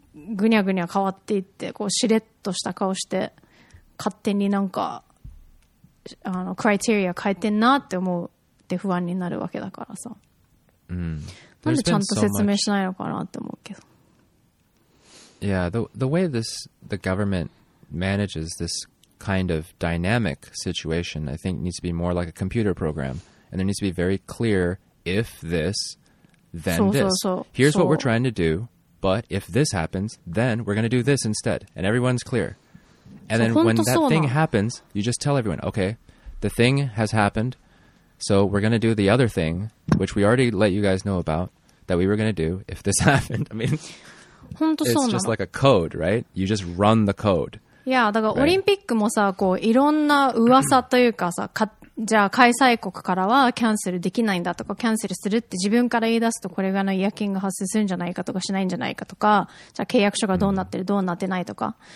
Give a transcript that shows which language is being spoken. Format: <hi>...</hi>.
<ja>ぐにゃぐにゃ変わっていって、こうしれっとした顔して勝手になんかあのクライテリア変えてんなって思うって不安になるわけだからさ、うん、なんでちゃんと説明しないのかなって思うけど。</ja> <en>Yeah, the way the government manages this kind of dynamic situation I think needs to be more like a computer program, and there needs to be very clear if this then this.</en> <ja>そうそうそう。</ja> <en>Here's what we're trying to do, but if this happens then we're going to do this instead, and everyone's clear. And then when that thing happens, you just tell everyone, okay, the thing has happened, so we're going to do the other thing, which we already let you guys know about, that we were going to do if this happened. I mean, it's just like a code, right? You just run the code. Yeah,</en> <ja>だからオリンピックもさ、こういろんな噂というかさ、か、じゃあ開催国からはキャンセルできないんだとか、キャンセルするって自分から言い出すとこれがの違約金が発生するんじゃないかとか、しないんじゃないかとか、じゃあ契約書がどうなってる、どうなってないとか。</ja>